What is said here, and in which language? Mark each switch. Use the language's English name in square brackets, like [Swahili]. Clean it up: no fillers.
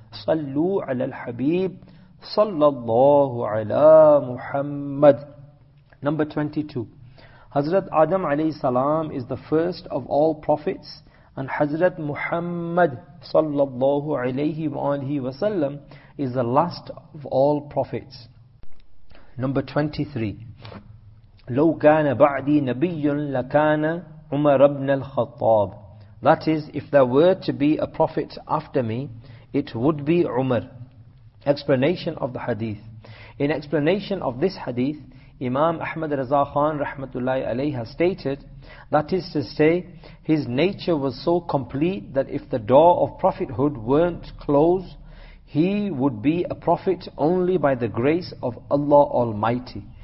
[English] Sallu ala al-habib sallallahu ala Muhammad. Number 22. Hazrat Adam alayhi salam is the first of all prophets, and Hazrat Muhammad sallallahu alayhi wa alihi wa sallam is the last of all prophets. Number 23. [Arabic] لو كان بعدي نبي لكان عمر بن الخطاب. [English] That is, if there were to be a prophet after me, it would be Umar. Explanation of the hadith. In explanation of this hadith, Imam Ahmad Raza Khan rahmatullahi alayhi has stated, that is to say, his nature was so complete that if the door of prophethood weren't closed, he would be a prophet only by the grace of Allah Almighty.